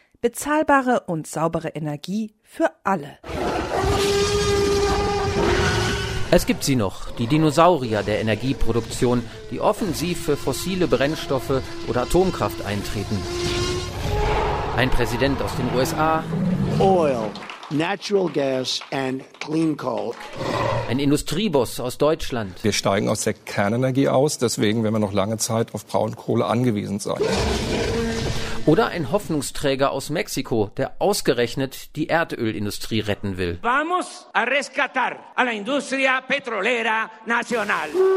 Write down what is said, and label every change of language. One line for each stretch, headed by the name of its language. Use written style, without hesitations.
German: Bezahlbare und saubere Energie für alle. Es gibt sie noch, die Dinosaurier der Energieproduktion, die offensiv für fossile Brennstoffe oder Atomkraft eintreten. Ein Präsident aus den USA.
English: Oil, natural gas and clean coal.
German: Ein Industrieboss aus Deutschland. Wir steigen aus der Kernenergie aus, deswegen werden wir noch lange Zeit auf Braunkohle angewiesen sein. Oder ein Hoffnungsträger aus Mexiko, der ausgerechnet die Erdölindustrie retten will.
Spanish: Vamos a rescatar a la industria petrolera nacional.